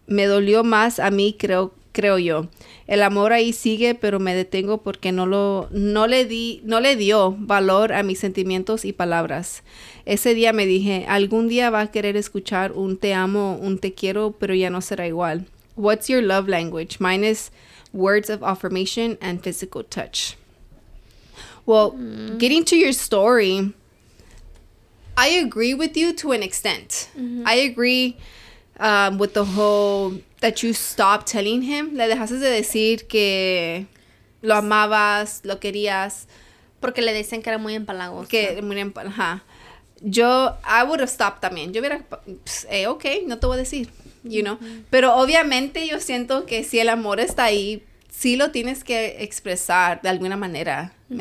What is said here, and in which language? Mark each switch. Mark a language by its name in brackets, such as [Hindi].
[Spanish] Me dolió más a mí, creo yo. El amor ahí sigue, pero me detengo porque no le dio valor a mis sentimientos y palabras. Ese día me dije, algún día va a querer escuchar un te amo, un te quiero, pero ya no será igual. [English] What's your love language? Mine is words of affirmation and physical touch. Well, getting to your story, I agree with you to an extent. Mm-hmm. I agree with the whole that you stop telling him. [Spanish] Le dejaste de decir que lo amabas, lo querías. Porque le decían que era muy empalagoso. Que muy empalagoso. [English] Huh. I would have stopped también. [Spanish] Yo hubiera, okay, no te voy a decir. [English] You know, [Spanish] mm-hmm. Pero obviamente yo siento que si el amor está ahí, sí lo tienes que expresar de alguna manera, ¿me mm-hmm.